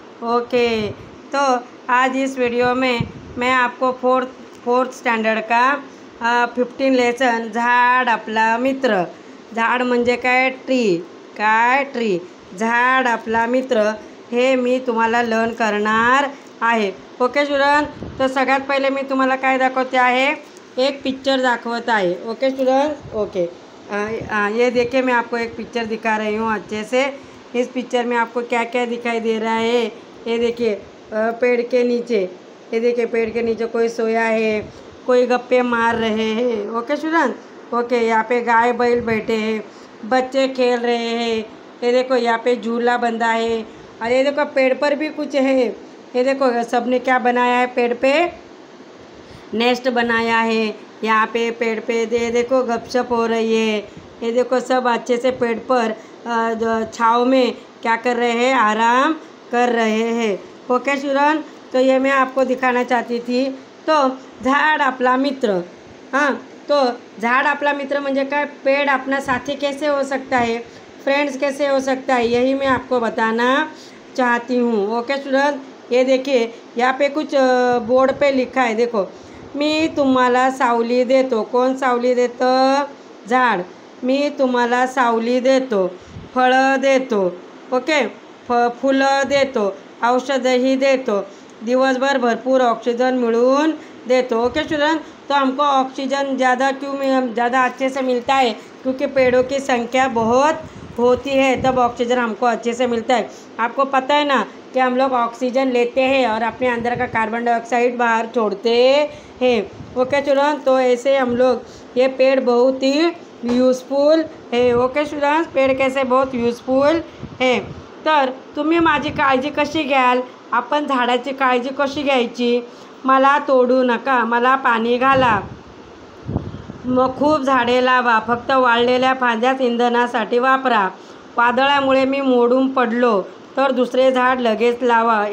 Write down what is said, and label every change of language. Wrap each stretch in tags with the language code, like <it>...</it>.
<hi>Okay, तो आज इस वीडियो में मैं आपको फोर्थ स्टैंडर्ड का 15 लेसन झाड़ अपला मित्र,</hi> <mr>झाड़ म्हणजे काय, ट्री काय,</mr> <hi>ट्री झाड़ अपला मित्र</hi> <mr>हे मी तुम्हाला लर्न करणार आहे। ओके स्टूडेंट, तो सगळ्यात पहिले मी तुम्हाला काय दाखवते आहे, एक पिक्चर दाखवत आहे।</mr> <hi>ओके स्टूडेंट, ओके ये देखिए, मैं आपको एक पिक्चर दिखा रही हूँ अच्छे से। इस पिक्चर में आपको क्या क्या दिखाई दे रहा है, ये देखिए पेड़ के नीचे, ये देखिए पेड़ के नीचे कोई सोया है, कोई गप्पे मार रहे हैं। ओके स्टूडेंट, ओके यहाँ पे गाय बैल बैठे हैं, बच्चे खेल रहे हैं, ये देखो यहाँ पे झूला बंधा है, और ये देखो पेड़ पर भी कुछ है। ये देखो सब ने क्या बनाया है, पेड़ पे नेस्ट बनाया है यहाँ पे पेड़ पे। ये देखो गपशप हो रही है, ये देखो सब अच्छे से पेड़ पर छाव में क्या कर रहे हैं, आराम कर रहे हैं। ओके स्टूडेंट, तो ये मैं आपको दिखाना चाहती थी। तो झाड़ अपला मित्र, हाँ तो झाड़ अपला मित्र म्हणजे काय, पेड़ अपना साथी कैसे हो सकता है, फ्रेंड्स कैसे हो सकता है, यही मैं आपको बताना चाहती हूँ।</hi> <mr>ओके स्टूडेंट,</mr> <hi>ये देखिए यहाँ पे कुछ बोर्ड पर लिखा है,</hi> <mr>देखो मी तुम्हाला सावली देतो, कोण सावली देतो, झाड़, मी तुम्हाला सावली देतो, फळ देतो, ओके फूल देतो, औषधही देतो, दिवसभर भरपूर ऑक्सिजन मिळून देतो।</mr> <hi>ओके स्टूडेंट, तो हमको ऑक्सिजन ज़्यादा क्यों ज़्यादा अच्छे से मिलता है, क्योंकि पेड़ों की संख्या बहुत होती है तब ऑक्सीजन हमको अच्छे से मिलता है। आपको पता है ना कि हम लोग ऑक्सीजन लेते हैं और अपने अंदर का कार्बन डाइऑक्साइड बाहर छोड़ते हैं। ओके स्टूडेंट, तो ऐसे हम लोग ये पेड़ बहुत ही यूजफुल है।</hi> <mr>ओके स्टूडेंट,</mr> <hi>पेड़ कैसे बहुत यूजफुल है,</hi> <mr>तर तुम्ही माझी काळजी कशी घ्याल, आपण झाडाची काळजी कशी घ्यायची, मला तोडू नका, मला पाणी घाला, खूप झाडे लावा, फक्त वाळलेल्या फांद्यात इंधनासाठी वापरा, वादळामुळे मी मोडून पडलो तर दुसरे झाड लगेच लावा।</mr>